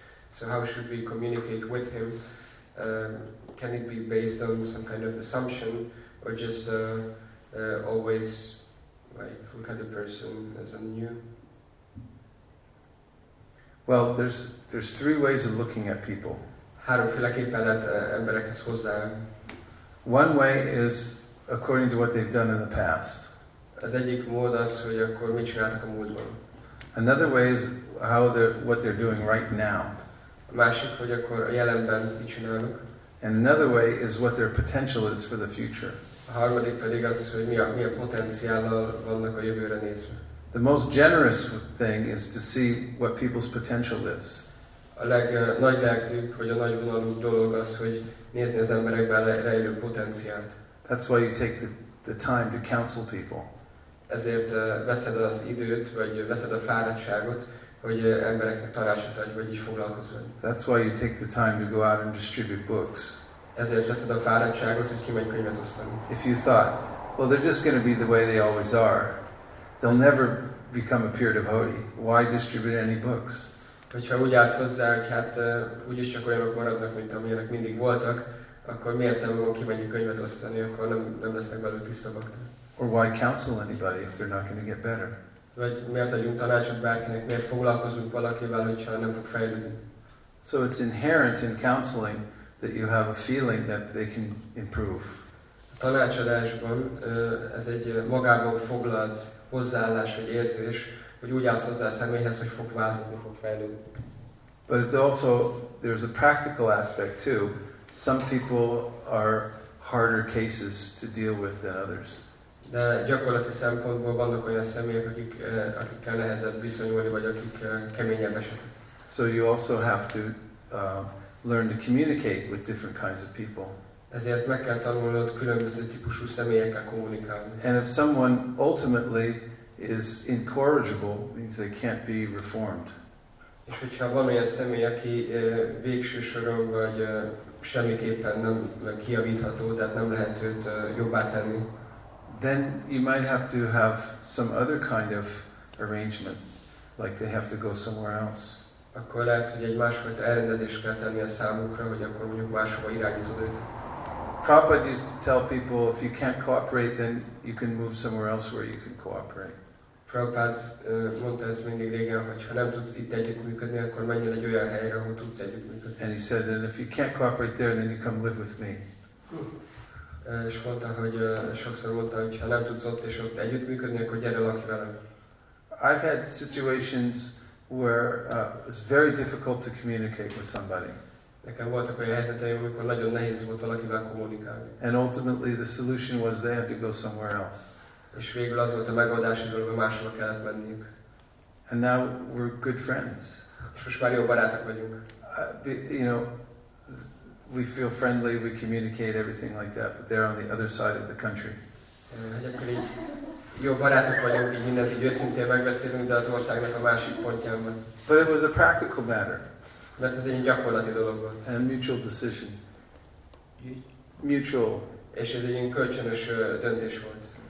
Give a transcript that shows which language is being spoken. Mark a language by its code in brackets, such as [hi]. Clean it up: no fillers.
[en] So how should we communicate with him? Can it be based on some kind of assumption, or just always like look at the person as a new? Well, there's three ways of looking at people. One way is according to what they've done in the past. [hu] Az egyik mód az, hogy akkor mit csináltak a múltban. [en] Another way is what they're doing right now. [hu] A másik, hogy akkor a jelenben mit csinálnak. [en] And another way is what their potential is for the future. [hu] A harmadik pedig az, hogy mi a potenciállal vannak a jövőre nézve. [en] The most generous thing is to see what people's potential is. [hu] A legnagylelkűbb, vagy a nagyvonalú dolog az, hogy nézni az emberekben rejlő potenciált. [en] That's why you take the time to counsel people. [hu] Ezért veszed az időt, vagy veszed a fáradtságot, hogy embereknek tanácsot adj, vagy így foglalkozol. [en] That's why you take the time to go out and distribute books. [hu] Ezért veszed a fáradtságot, hogy kimegy könyvet osztani. [en] If you thought, well, they're just going to be the way they always are. They'll never become a pure devotee. Why distribute any books? [hu] Hogyha úgy állsz hozzá, hogy hát úgyis csak olyanok maradnak, mint amilyenek mindig voltak, akkor miért nem van kimegyünk könyvet osztani, akkor nem lesznek belőle tisztabbak. [en] Or why counsel anybody if they're not going to get better? [hu] Vagy miért adjunk tanácsot bárkinek, miért foglalkozunk valakivel, hogyha nem fog fejlődni? [en] So it's inherent in counseling that you have a feeling that they can improve. [hu] A tanácsadásban ez egy magában foglalt hozzáállás vagy érzés, hogy úgy állsz hozzá a személyhez, hogy fog változni, fog fejlődni. [en] But it's also, there's a practical aspect too. Some people are harder cases to deal with than others. [hu] De gyakorlati szempontból vannak olyan személyek, akikkel nehezebb viszonyulni, vagy akik keményebb esetek. [en] So you also have to learn to communicate with different kinds of people. [hu] Ezért meg kell tanulnod különböző típusú személyekkel kommunikálni. [en] And if someone ultimately is incorrigible, means they can't be reformed. [hu] És hogyha van olyan személy, aki végső soron vagy semmiképpen nem kijavítható, tehát nem lehet őt jobbá tenni, [en] then you might have to have some other kind of arrangement, like they have to go somewhere else. [hu] Akkor lehet, hogy egy másfajta elrendezést kell tenni a számukra, hogy akkor mondjuk máshova irányítod őt. [en] Prabhupada used to tell people, if you can't cooperate, then you can move somewhere else where you can cooperate. [hu] Prabhupada mondta ezt mindig régen, hogy ha nem tudsz itt együttműködni, akkor menjél egy olyan helyre, ahol tudsz együttműködni. [en] And he said, and if you can't cooperate there, then you come live with me. [hu] És mondta, hogy sokszor mondta, hogy ha nem tudsz ott és ott együttműködni, akkor gyere lakj velem. [en] I've had situations where it's very difficult to communicate with somebody. [hu] Nekem voltak olyan helyzeteim, amikor nagyon nehéz volt valakivel kommunikálni. [en] And ultimately the solution was they had to go somewhere else. [hu] És végül az volt a megoldási dolog, hogy máshova kellett menniük. [en] And now we're good friends. [hu] És most már jó barátok vagyunk. [en] You know, we feel friendly, we communicate, everything like that, but they're on the other side of the country. [hu] Jó barátok vagyunk, így mindent így őszintén megbeszélünk, de az országnak a másik pontján van. [en] But it was a practical matter. [hu] Mert ez egy gyakorlati dolog volt. [en] And mutual decision. Mutual. [hu] És ez egy kölcsönös döntés volt.